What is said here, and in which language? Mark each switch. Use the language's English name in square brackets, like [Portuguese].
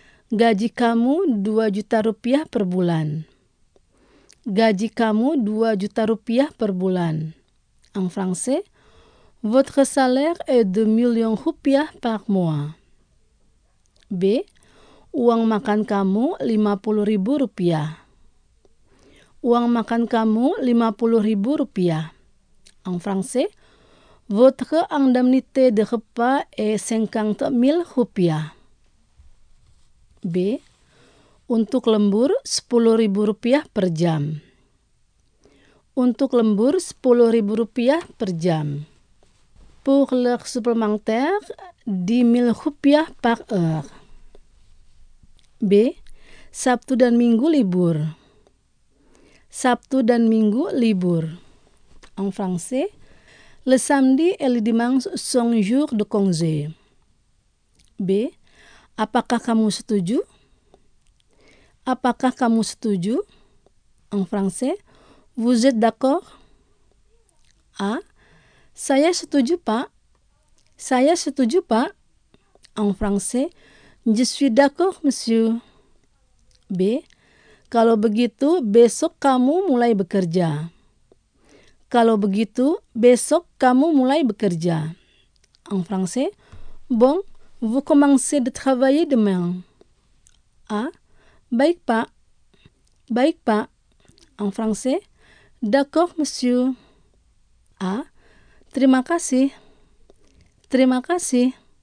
[Indonesian] Gaji kamu 2 juta rupiah per bulan. Gaji kamu 2 juta rupiah per bulan. [French] En français, votre salaire est 2 millions rupiah par mois. B. [Indonesian] Uang makan kamu 50.000 rupiah. Uang makan kamu 50.000 rupiah. [French] En français, votre indemnité de repas est 50.000 rupiah. B. [Indonesian] Untuk lembur 10.000 rupiah per jam. Untuk lembur 10.000 rupiah per jam. [French] Pour le supplémentaire, 10.000 rupiah par heure. B. [Indonesian] Sabtu dan Minggu libur. Sabtu dan Minggu libur. [French] En français, le samedi et le dimanche sont jours de congé. B. [Indonesian] Apakah kamu setuju? Apakah kamu setuju? [French] En français, vous êtes d'accord? A. [Indonesian] Saya setuju, Pak. Saya setuju, Pak. [French] En français, je suis d'accord, monsieur. B. [Indonesian] Kalau begitu, besok kamu mulai bekerja. Kalau begitu, besok kamu mulai bekerja. [French] En français, bon, vous commencez de travailler demain. A. [Indonesian] Baik, Pak. Baik, Pak. [French] En français, d'accord, monsieur. [Indonesian] A. Terima kasih. Terima kasih.